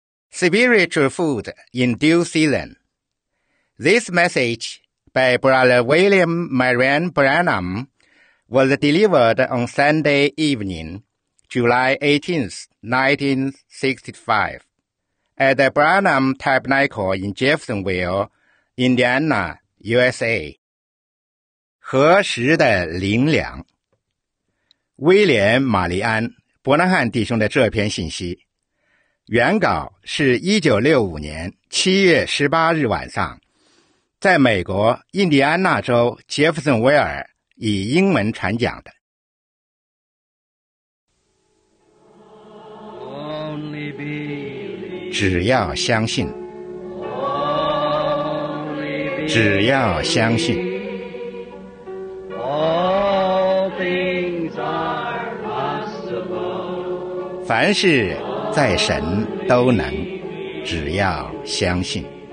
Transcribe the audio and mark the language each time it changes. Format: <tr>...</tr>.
<en>Spiritual Food in Due Season. This message by Brother William Marian Branham was delivered on Sunday evening, July 18, 1965, at the Branham Tabernacle in Jeffersonville, Indiana, USA.</en> <zh>何时的灵粮？威廉·玛丽安·伯南汉弟兄的这篇信息原稿是1965年7月18日晚上在美国印第安纳州杰弗森威尔以英文传讲的。</zh> <en>Only be.</en> <zh>只要相信。</zh> <en>Only be.</en> <zh>只要相信。</zh> <en>All things are possible.</en> <zh>凡事在神都能，只要相信。</zh>